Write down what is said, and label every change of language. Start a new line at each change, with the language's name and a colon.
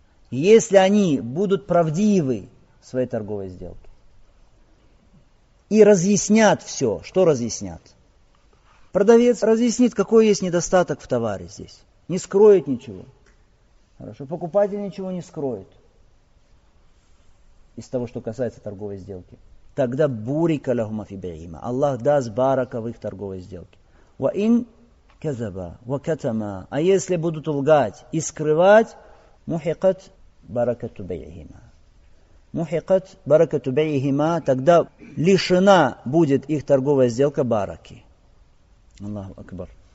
Russian: Если они будут правдивы в своей торговой сделке и разъяснят все, что разъяснят? Продавец разъяснит, какой есть недостаток в товаре здесь. Не скроет ничего. Хорошо. Покупатель ничего не скроет из того, что касается торговой сделки. Тогда
Arabic: بُورِكَ لَهُمَا فِي بَيْعِهِمَا.
Russian: Аллах даст барака в их торговой сделке.
Arabic: وَإِنْ كَذَبَا وَكَتَمَا.
Russian: А если будут лгать и скрывать,
Arabic: мухикат баракату бейхима. Мухикат баракату бейхима,
Russian: тогда лишена будет их торговая сделка бараки. Аллаху Акбар.